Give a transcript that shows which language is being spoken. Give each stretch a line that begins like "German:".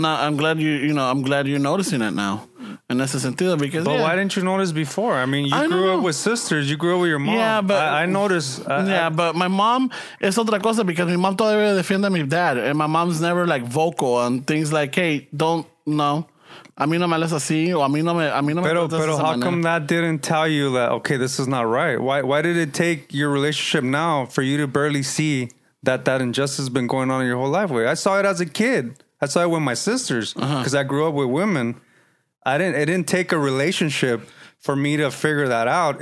English: No, I'm glad you're noticing it now. In ese sentido, because but why didn't you notice before? I mean, you grew up with sisters. You grew up with your mom. Yeah, but I noticed, but my mom is otra cosa because my mom todavía defiende a mi dad, and my mom's never like vocal on things like, hey, don't no.
Spanish: A mí no me hablas así, o a mí no me
English: pero how come that didn't tell you that, okay, this is not right? Why did it take your relationship now for you to barely see that injustice has been going on in your whole life? I saw it as a kid. I saw it with my sisters because I grew up with women. It didn't take a relationship for me to figure that out.